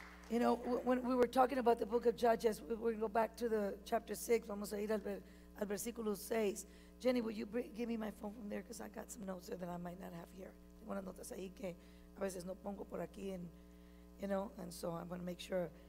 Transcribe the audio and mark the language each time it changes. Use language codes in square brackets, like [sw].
[en] You know, when we were talking about the book of Judges, we're going to go back to the chapter 6. [es] Vamos a ir al versículo 6. [en] Jenny, will you give me my phone from there? Because I got some notes there that I might not have here. [es] Tengo unas notas ahí que a veces no pongo por aquí. [en] And, you know, and so I'm going to make sure.